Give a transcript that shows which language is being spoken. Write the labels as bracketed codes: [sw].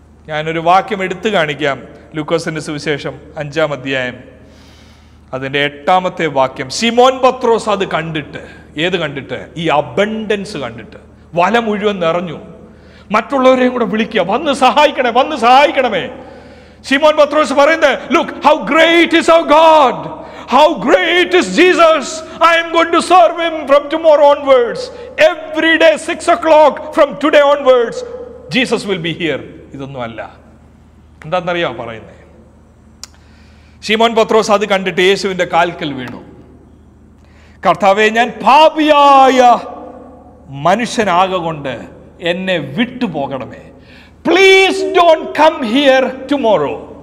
[ml] ഞാനൊരു വാക്യം എടുത്തു കാണിക്കാം, ലൂക്കോസിന്റെ സുവിശേഷം 5 അതിൻ്റെ 8 സിമോൻ പത്രോസ് അത് കണ്ടിട്ട്, ഏത് കണ്ടിട്ട്? ഈ അബണ്ടൻസ് കണ്ടിട്ട്, വല മുഴുവൻ നിറഞ്ഞു. മറ്റുള്ളവരെയും കൂടെ വിളിക്കുക, വന്ന് സഹായിക്കണേ, വന്ന് സഹായിക്കണമേ. സിമോൻ പത്രോസ് പറയുന്നത്, [en] Look how great is our God, how great is Jesus, I am going to serve him from tomorrow onwards, every day 6 o'clock from today onwards Jesus will be here. [ml] ഇതൊന്നുമല്ല, എന്താണെന്നറിയാം പറയുന്നത്. ശിമോൻ പത്രോസ് അത് കണ്ടിട്ട് യേശുവിന്റെ കാൽക്കൽ വീണു, കർത്താവേ ഞാൻ പാപിയായ മനുഷ്യനാകൊണ്ട് എന്നെ വിട്ടുപോകണമേ, [en] please don't come here tomorrow.